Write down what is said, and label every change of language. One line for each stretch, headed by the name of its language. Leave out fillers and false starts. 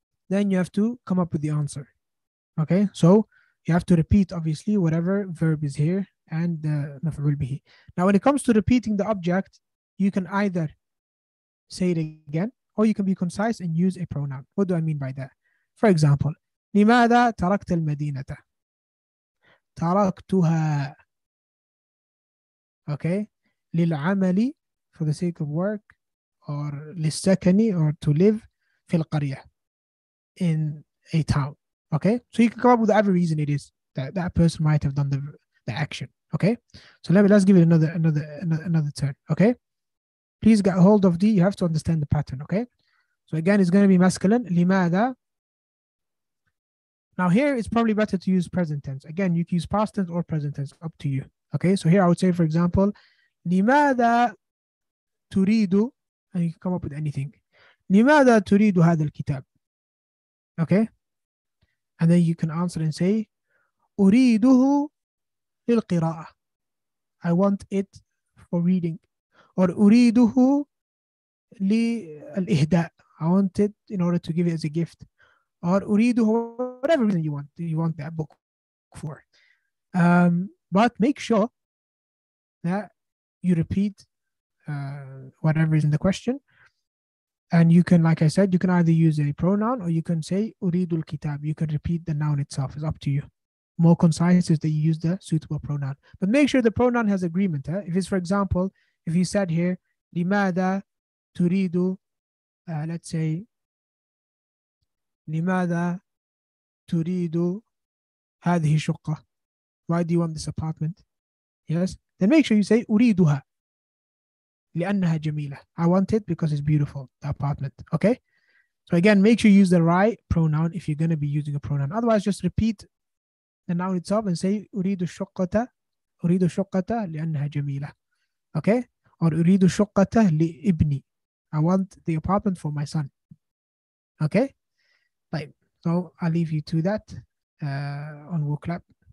English: Then you have to come up with the answer. Okay, so you have to repeat obviously whatever verb is here and the maf'ul bihi. Now when it comes to repeating the object, you can either say it again or you can be concise and use a pronoun. What do I mean by that? For example,
Arabic: لماذا تركت المدينة؟ تركتها.
English: Okay,
Arabic: للعمل,
English: for the sake of work, or
Arabic: للسكن,
English: or to live,
Arabic: في القرية,
English: in a town. Okay, so you can come up with whatever reason it is that that person might have done the action. Okay, so let's give it another turn. Okay, please get hold of the, you have to understand the pattern. Okay, so again, it's going to be masculine.
Arabic: لماذا.
English: Now here, it's probably better to use present tense. Again, you can use past tense or present tense, up to you. Okay, so here I would say, for example,
Arabic: لماذا تريد,
English: and you can come up with anything.
Arabic: لماذا تريد هذا الكتاب.
English: Okay, and then you can answer and say
Arabic: أريده للقراءة.
English: I want it for reading.
Arabic: Or أريده للإهداء.
English: I want it in order to give it as a gift. Or
Arabic: أريده,
English: whatever reason you want that book for. But make sure that you repeat whatever is in the question. And you can, like I said, you can either use a pronoun or you can say
Arabic: أريد الكتاب.
English: You can repeat the noun itself. It's up to you. More concise is that you use the suitable pronoun. But make sure the pronoun has agreement. Eh? If it's, for example, if you said here,
Arabic: لماذا تريد,
English: let's say,
Arabic: لماذا تريد هذه الشقة?
English: Why do you want this apartment? Yes? Then make sure you say,
Arabic: أريدها لأنها جميلة.
English: I want it because it's beautiful, the apartment. Okay? So again, make sure you use the right pronoun if you're going to be using a pronoun. Otherwise, just repeat the noun itself and say
Arabic: أريد الشقة لأنها جميلة.
English: Okay, or
Arabic: أريد الشقة لإبني.
English: I want the apartment for my son. Okay, right. So I'll leave you to that on WoClap.